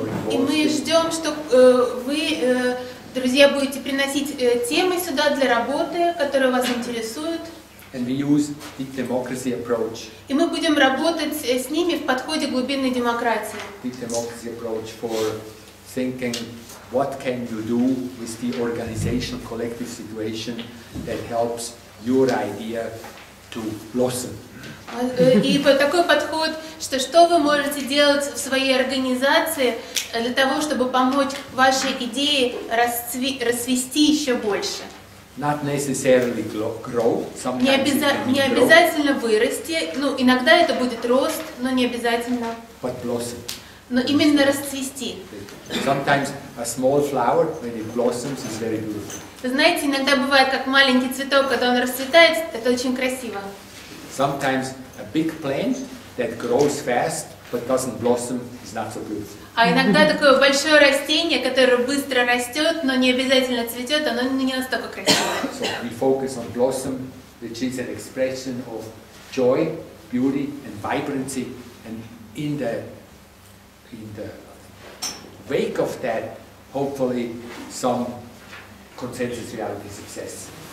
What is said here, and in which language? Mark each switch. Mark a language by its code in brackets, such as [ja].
[ru] И мы ждем, что вы, друзья, будете приносить темы сюда для работы, которые вас интересуют. [en] And we use the democracy approach. [ru] И мы будем работать с ними в подходе глубинной демократии. [en] The democracy approach for thinking what can you do with the organizational collective situation that helps your idea to blossom. [ru] И такой подход, что вы можете делать в своей организации для того, чтобы помочь вашей идее расцвести еще больше. [en] Not necessarily grow. [ru] Не обязательно вырасти, иногда это будет рост, но не обязательно. [en] But blossom. [ru] Но именно расцвести. [en] Sometimes a small flower, when it blossoms, is very beautiful. [ru] Знаете, иногда бывает, как маленький цветок, когда он расцветает, это очень красиво. [en] Sometimes a big plant that grows fast but doesn't blossom is not so good. [ru] А иногда такое большое растение, которое быстро растет, но не обязательно цветет, оно не настолько красивое. [en] So we focus on blossom, which is an expression of joy, beauty, and vibrancy. And in the wake of that, hopefully some consensus reality success.